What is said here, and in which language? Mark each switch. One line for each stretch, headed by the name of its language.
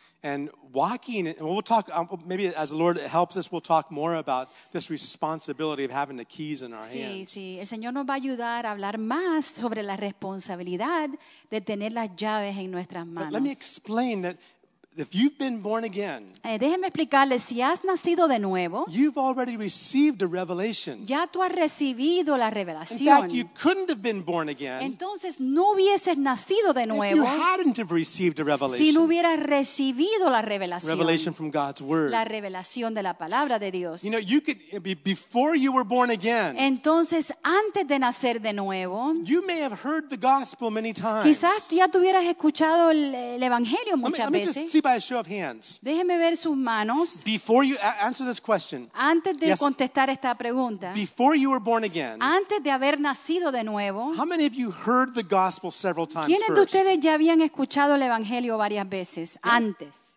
English: And walking, and we'll talk, maybe as the Lord helps us, we'll talk more about this responsibility of having the keys in our
Spanish: sí,
English: hands.
Spanish: Sí, sí. El Señor nos va a ayudar a hablar más sobre la responsabilidad de tener las llaves en nuestras manos.
English: But let me explain that if you've been born again,
Spanish: déjeme explicarle, si has nacido de nuevo,
English: you've already received a revelation.
Spanish: Ya tú has recibido la revelación.
English: In fact, you couldn't have been born again.
Spanish: Entonces, no hubieses nacido de nuevo.
English: If you hadn't have received a revelation.
Spanish: Si no hubieras recibido la revelación.
English: Revelation from God's word.
Spanish: La revelación de la palabra de Dios.
English: You know, you could before you were born again.
Spanish: Entonces, antes de nacer de nuevo,
English: you may have heard the gospel many times.
Spanish: Quizás ya tuvieras escuchado el evangelio muchas veces.
English: See by a show of hands.
Spanish: Déjeme ver sus manos.
English: Before you answer this question.
Spanish: Antes de contestar esta pregunta.
English: Before you were born again.
Spanish: Antes de haber nacido de nuevo.
English: How many of you heard the gospel several times?
Spanish: ¿Quiénes de ustedes ya habían escuchado el evangelio varias veces antes?